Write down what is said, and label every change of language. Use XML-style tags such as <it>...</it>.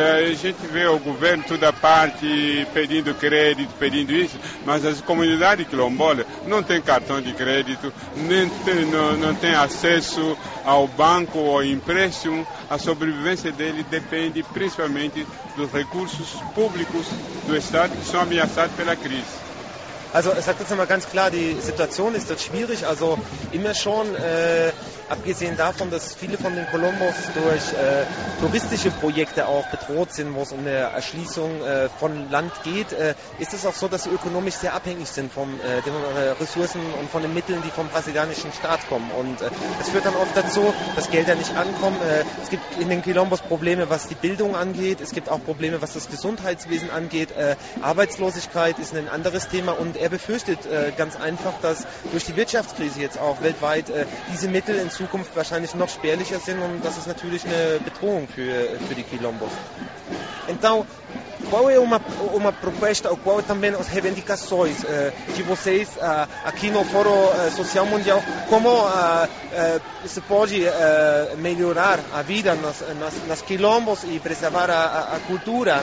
<pt>A gente vê o governo toda parte pedindo crédito, pedindo isso, mas as comunidades quilombolas não têm cartão de crédito, não têm acesso ao banco ou empréstimo. A sobrevivência dele depende principalmente dos recursos públicos do Estado, que são ameaçados pela crise.</pt> <de>Also ich sage jetzt nochmal ganz klar, die Situation ist dort schwierig, also immer schon, abgesehen davon, dass viele von den Colombos durch touristische Projekte auch bedroht sind, wo es um eine Erschließung von Land geht, ist es auch so, dass sie ökonomisch sehr abhängig sind von den Ressourcen und von den Mitteln, die vom brasilianischen Staat kommen. Und es führt dann oft dazu, dass Gelder nicht ankommen. Es gibt in den Colombos Probleme, was die Bildung angeht. Es gibt auch Probleme, was das Gesundheitswesen angeht. Arbeitslosigkeit ist ein anderes Thema. Und er befürchtet ganz einfach, dass durch die Wirtschaftskrise jetzt auch weltweit diese Mittel in Zukunft wahrscheinlich noch spärlicher sind, und das ist natürlich eine Bedrohung für die Quilombos.</de> <pt>Então, qual é uma proposta ou qual também as reivindicações de vocês aqui no Fórum Social Mundial? Como se pode melhorar a vida nas quilombos e preservar a cultura?</pt>